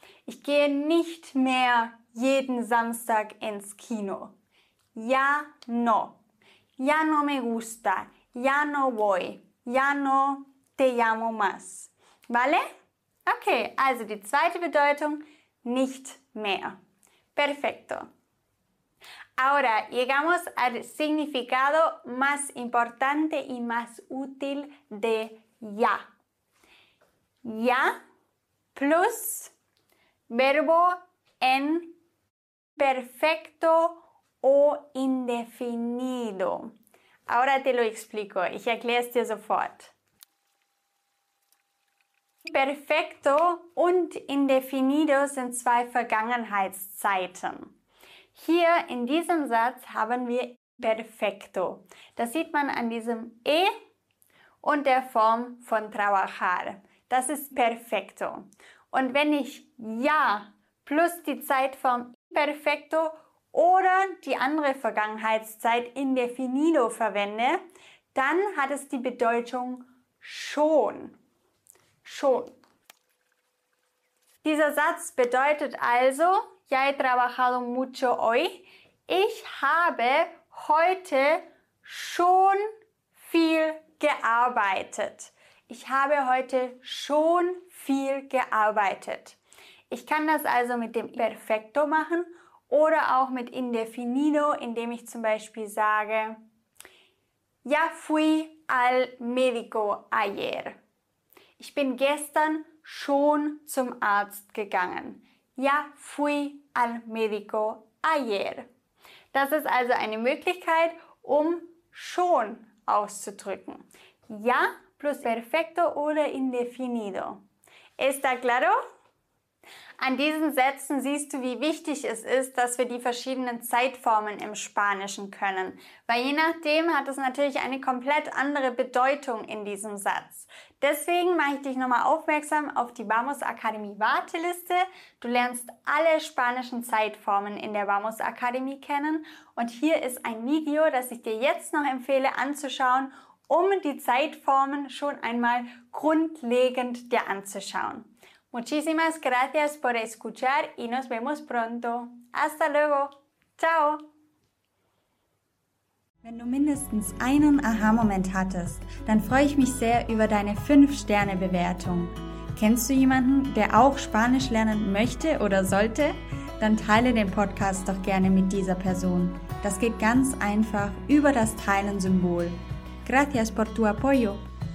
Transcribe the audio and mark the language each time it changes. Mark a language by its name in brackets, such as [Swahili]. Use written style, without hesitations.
[German] Ich gehe nicht mehr jeden Samstag ins Kino. [Spanish] Ya no. Ya no me gusta. Ya no voy. Ya no te llamo más. ¿Vale? [German] Okay, also die zweite Bedeutung, nicht mehr. [Spanish] Perfecto. Ahora llegamos al significado más importante y más útil de ya. Ya plus verbo en perfecto o indefinido. Ahora te lo explico. [German] Ich erkläre es dir sofort. Perfecto und indefinido sind zwei Vergangenheitszeiten. Hier in diesem Satz haben wir perfecto. Das sieht man an diesem E und der Form von trabajar. Das ist perfecto. Und wenn ich ja plus die Zeitform imperfecto oder die andere Vergangenheitszeit indefinido verwende, dann hat es die Bedeutung schon. Schon. Dieser Satz bedeutet also, [Spanish] ya he trabajado mucho hoy. [German] Ich habe heute schon viel gearbeitet. Ich habe heute schon viel gearbeitet. Ich kann das also mit dem Perfecto machen oder auch mit Indefinido, indem ich zum Beispiel sage, [Spanish] ya fui al médico ayer. [German] Ich bin gestern schon zum Arzt gegangen. [Spanish] Ya fui al médico ayer. [German] Das ist also eine Möglichkeit, um schon auszudrücken. Ya plus Perfecto oder Indefinido. [Spanish] ¿Está claro? [German] An diesen Sätzen siehst du, wie wichtig es ist, dass wir die verschiedenen Zeitformen im Spanischen können. Weil je nachdem hat es natürlich eine komplett andere Bedeutung in diesem Satz. Deswegen mache ich dich nochmal aufmerksam auf die Vamos Akademie Warteliste. Du lernst alle spanischen Zeitformen in der Vamos Akademie kennen. Und hier ist ein Video, das ich dir jetzt noch empfehle anzuschauen, um die Zeitformen schon einmal grundlegend dir anzuschauen. [Spanish] Muchísimas gracias por escuchar y nos vemos pronto. Hasta luego. Ciao. [German] Wenn du mindestens einen Aha-Moment hattest, dann freue ich mich sehr über deine 5-Sterne-Bewertung. Kennst du jemanden, der auch Spanisch lernen möchte oder sollte? Dann teile den Podcast doch gerne mit dieser Person. Das geht ganz einfach über das Teilen-Symbol. [Spanish] Gracias por tu apoyo.